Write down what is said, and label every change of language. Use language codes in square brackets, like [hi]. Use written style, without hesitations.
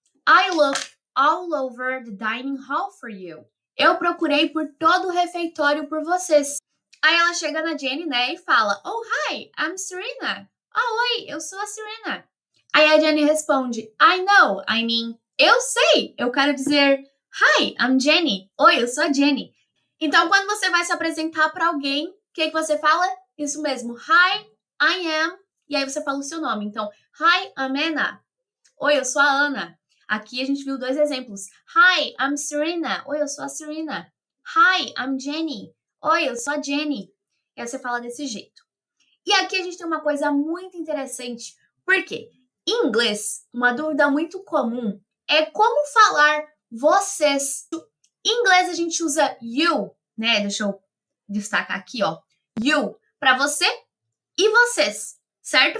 [en] I looked all over the dining hall for you. [pt] Eu procurei por todo o refeitório por vocês. Aí ela chega na Jenny, né, e fala, [en] oh, hi, I'm Serena. [pt] Oh, oi, eu sou a Serena. Aí a Jenny responde, [en] I know, I mean, [pt] eu sei, eu quero dizer, [en] hi, I'm Jenny, [pt] oi, eu sou a Jenny. Então, quando você vai se apresentar para alguém, o que, que você fala? Isso mesmo, [en] hi, I am, [pt] e aí você fala o seu nome. Então, [en] hi, I'm Anna, [pt] oi, eu sou a Ana. Aqui a gente viu dois exemplos, [en] hi, I'm Serena, [pt] oi, eu sou a Serena. [en] Hi, I'm Jenny, [pt] oi, eu sou a Jenny. E aí você fala desse jeito. E aqui a gente tem uma coisa muito interessante, por quê? Em inglês, uma dúvida muito comum é como falar vocês. Em inglês, a gente usa you, né? Deixa eu destacar aqui, ó. You, para você e vocês, certo?